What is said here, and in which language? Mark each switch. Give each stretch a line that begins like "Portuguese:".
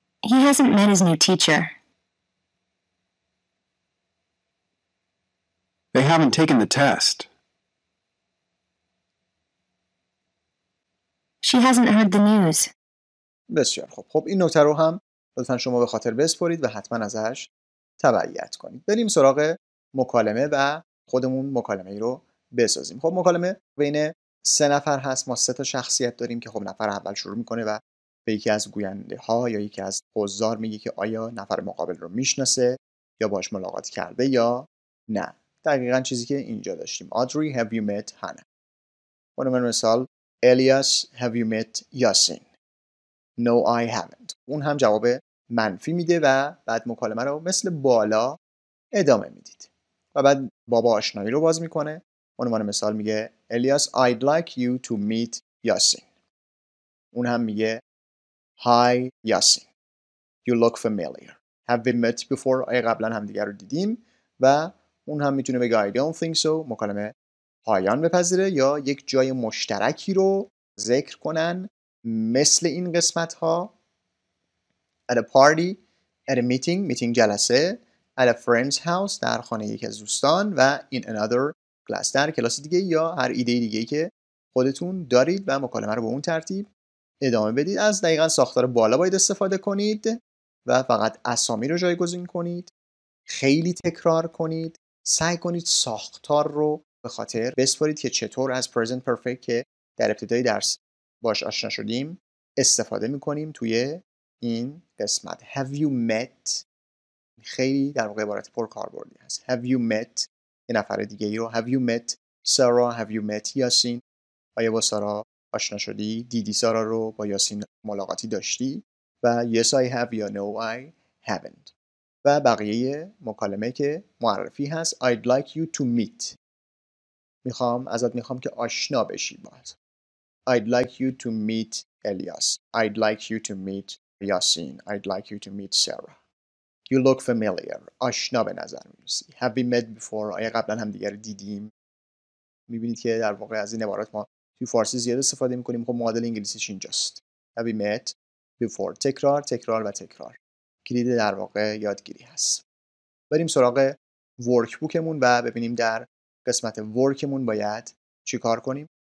English: He hasn't met his new teacher. They haven't taken the test. She hasn't heard the news.
Persian: بسیار خوب. خب این نکته رو هم لطفاً شما به خاطر بسپارید و حتماً ازش تبعیت کنید. بریم سراغ مکالمه و خودمون مکالمه ای رو بسازیم. خب مکالمه بین سه نفر هست. ما سه تا شخصیت داریم که خب نفر اول شروع میکنه و به یکی از گوینده ها یا یکی از حضار میگه که آیا نفر مقابل رو میشناسه یا باش ملاقات کرده یا نه. دقیقاً چیزی که اینجا داشتیم.
English: Audrey, have you met Hannah?
Persian: اونم مثال
English: Elias, have you met Yasin? No, I haven't.
Persian: اون هم جواب منفی میده و بعد مکالمه رو مثل بالا ادامه میدید. و بعد بابا آشنایی رو باز میکنه. عنوان مثال میگه
English: Elias, I'd like you to meet Yasin.
Persian: اون هم میگه
English: Hi, Yasin. You look familiar. Have we met before?
Persian: آیا قبلا هم دیگر رو دیدیم؟ و اون هم میتونه بگه
English: I don't think so.
Persian: مکالمه پایان بپذیره یا یک جای مشترکی رو ذکر کنن مثل این قسمت ها.
English: At a party, at a meeting,
Persian: meeting جلسه,
English: at a friend's house,
Persian: در خانه یکی از دوستان و
English: in another class,
Persian: در کلاس دیگه یا هر ایده دیگه که خودتون دارید و مکالمه رو به اون ترتیب ادامه بدید. از دقیقا ساختار بالا باید استفاده کنید و فقط اسامی رو جایگزین کنید. خیلی تکرار کنید. سعی کنید ساختار رو به خاطر بسپارید که چطور از present perfect که در ابتدای درس باش آشنا شدیم استفاده میکنیم توی این قسمت.
English: Have you met؟
Persian: خیلی در واقع عبارت پرکاربردی هست.
English: Have you met؟
Persian: یه نفر دیگه ای رو.
English: Have you met Sarah؟ Have you met Yasin؟
Persian: آیا با Sarah آشنا شدی؟ دیدی Sarah رو؟ با Yasin ملاقاتی داشتی؟
English: و Yes I have یا No I haven't.
Persian: و بقیه مکالمه که معرفی هست.
English: I'd like you to meet.
Persian: میخوام ازت میخوام که آشنا بشی باز.
English: I'd like you to meet Elias. I'd like you to meet Yasin. I'd like you to meet Sarah. You look familiar.
Persian: آشنا به نظر میرسی.
English: Have we met before?
Persian: آیا قبلا هم دیگر دیدیم؟ میبینید که در واقع از این عبارات ما توی فارسی زیاد استفاده میکنیم. خب معادل انگلیسیش اینجاست.
English: Have we met before?
Persian: تکرار، تکرار و تکرار. کلید در واقع یادگیری هست. بریم سراغ ورکبوکمون و ببینیم در قسمت ورکمون باید چی کار کنیم.